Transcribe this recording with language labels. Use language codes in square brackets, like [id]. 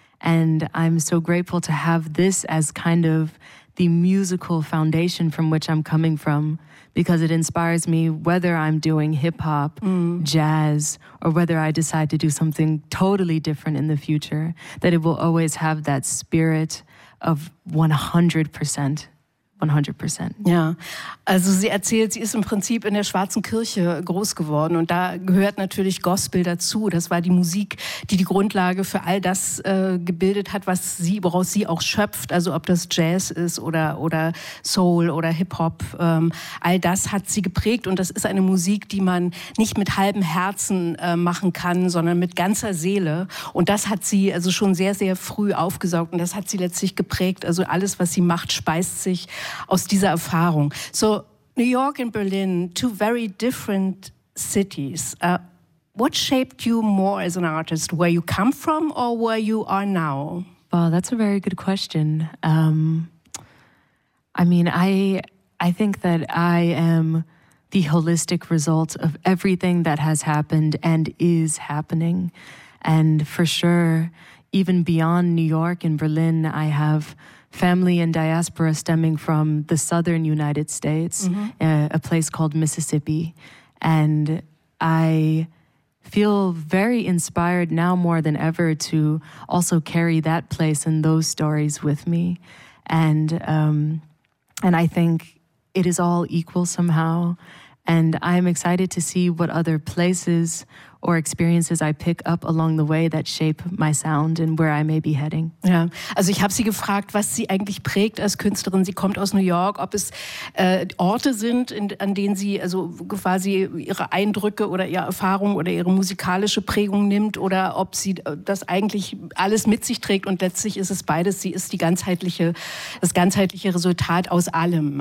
[en] And I'm so grateful to have this as kind of the musical foundation from which I'm coming from, because it inspires me whether I'm doing hip hop, jazz, or whether I decide to do something totally different in the future, that it will always have that spirit of 100%. 100%. [de] Ja, also sie erzählt, sie ist im Prinzip in der schwarzen Kirche groß geworden und da gehört natürlich Gospel dazu. Das war die Musik, die die Grundlage für all das gebildet hat, was sie, woraus sie auch schöpft. Also ob das Jazz ist oder Soul oder Hip-Hop, all das hat sie geprägt und das ist eine Musik, die man nicht mit halbem Herzen machen kann, sondern mit ganzer Seele. Und das hat sie also schon sehr, sehr früh aufgesaugt und das hat sie letztlich geprägt. Also alles, was sie macht, speist sich aus dieser Erfahrung. [en] So, New York and Berlin, two very different cities. What shaped you more as an artist? Where you come from or where you are now? Well, that's a very good question. I think that I am the holistic result of everything that has happened and is happening. And for sure, even beyond New York and Berlin, I have family and diaspora stemming from the southern United States, a place called Mississippi. And I feel very inspired now more than ever to also carry that place and those stories with me. And I think it is all equal somehow. And I'm excited to see what other places or experiences I pick up along the way that shape my sound and where I may be heading. [de] Ja, also ich habe sie gefragt, was sie eigentlich prägt als Künstlerin. Sie kommt aus New York, ob es Orte sind, an denen sie also quasi ihre Eindrücke oder ihre Erfahrung oder ihre musikalische Prägung nimmt oder ob sie das eigentlich alles mit sich trägt. Und letztlich ist es beides. Sie ist das ganzheitliche Resultat aus allem.